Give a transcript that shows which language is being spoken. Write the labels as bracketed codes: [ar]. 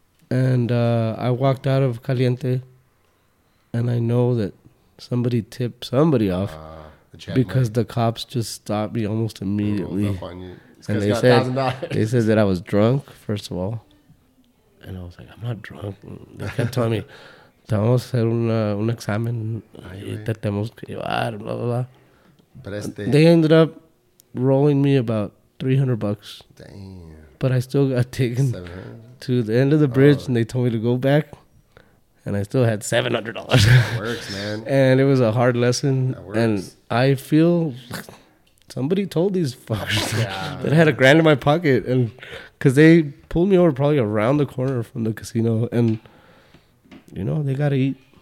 [en] And I walked out of Caliente, and I know that somebody tipped somebody off because the cops just stopped me almost immediately. And they said that I was drunk, first of all. And I was like, I'm not drunk. They kept telling me. [es] Vamos a hacer un examen y te tenemos que llevar, blah, blah, blah. [en] They ended up rolling me about $300. Damn. But I still got taken to the end of the bridge, and they told me to go back, and I still had $700. That works, man. And it was a hard lesson. That works. And I feel somebody told these fuckers that I had a grand in my pocket, and because they pulled me over probably around the corner from the casino, and... You know, they got to eat.